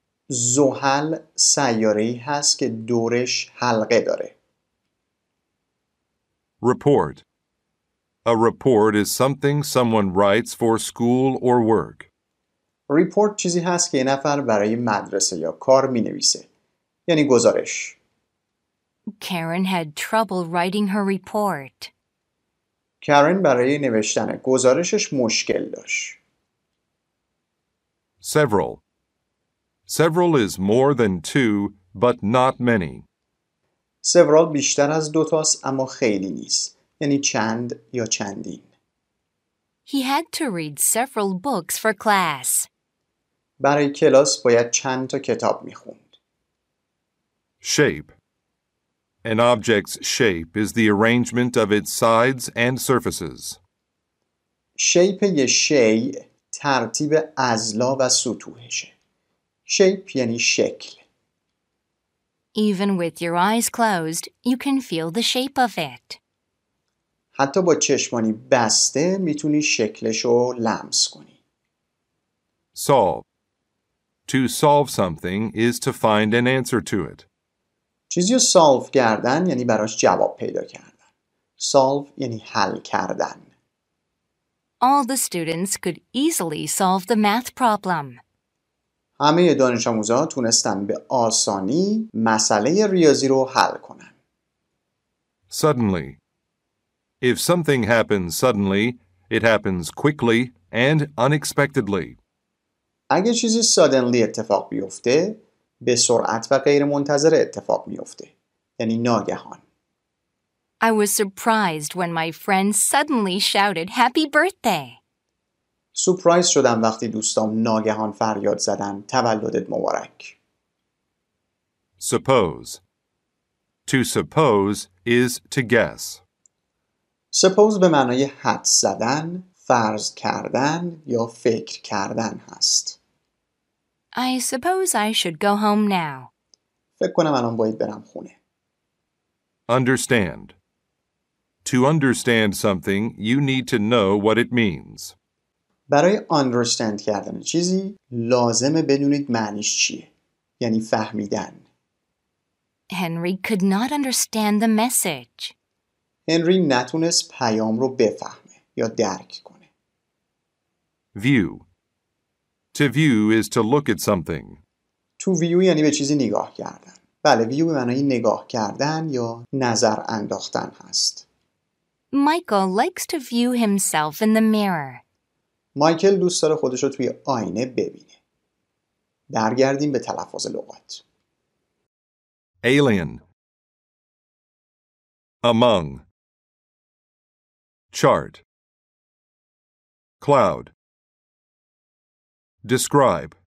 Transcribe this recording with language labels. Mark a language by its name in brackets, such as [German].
[Persian] زحل سیاره‌ای هست که دورش حلقه داره. [English] Report. A report is something someone writes for school or work. [Persian] Report چیزی هست که یه نفر برای مدرسه یا کار می نویسه. یعنی گزارش. [English] Karen had trouble writing her report. [Persian] Karen برای نوشتن گزارشش مشکل داشت. [English] Several. Several is more than two, but not many. [Persian] Several بیشتر از دو تاست اما خیلی نیست. یعنی چند یا چندین. [English] He had to read several books for class. [Persian] برای کلاس باید چند تا کتاب میخوند. [English] Shape. An object's shape is the arrangement of its sides and surfaces. [Persian] Shape یه شیء ترتیب اضلاع و سطوحشه. Shape یعنی شکل. [English] Even with your eyes closed, you can feel the shape of it. [Persian] حتی با چشمانی بسته میتونی شکلش رو لمس کنی. [English] Solve. To solve something is to find an answer to it. [Persian] چیزی رو سالف کردن یعنی براش جواب پیدا کردن. سالف یعنی حل کردن. [English] All the students could easily solve the math problem. [Persian] همه دانش آموزا تونستن به آسانی مسئله ریاضی رو حل کنن. [English] Suddenly. If something happens suddenly, it happens quickly and unexpectedly. [Persian] اگه چیزی suddenly اتفاق بیفته، به سرعت و غیر منتظره اتفاق میفته. یعنی ناگهان. [English] I was surprised when my friend suddenly shouted happy birthday. [Persian] سورپرایز شدم وقتی دوستام ناگهان فریاد زدن تولدت مبارک. [English] Suppose. To suppose is to guess. [Persian] Suppose به معنای حد زدن، فرض کردن یا فکر کردن هست. [English] I suppose I should go home now. [Persian] فکر کنم الان باید برم خونه. [English] Understand. To understand something, you need to know what it means. [Persian] برای understand کردن چیزی لازمه بدونید معنیش چیه. یعنی فهمیدن. [English] Henry could not understand the message. [Persian] Henry نتونست پیام رو بفهمه یا درک کنه. [English] View. To view is to look at something. [Persian] To view یعنی به چیزی نگاه کردن. بله، view به معنی نگاه کردن یا نظر انداختن هست. [English] Michael likes to view himself in the mirror. [Persian] مایکل دوست داره خودش رو توی آینه ببینه. برگردیم به تلفظ لغات. [English] Alien. Among. Chart. Cloud. Describe.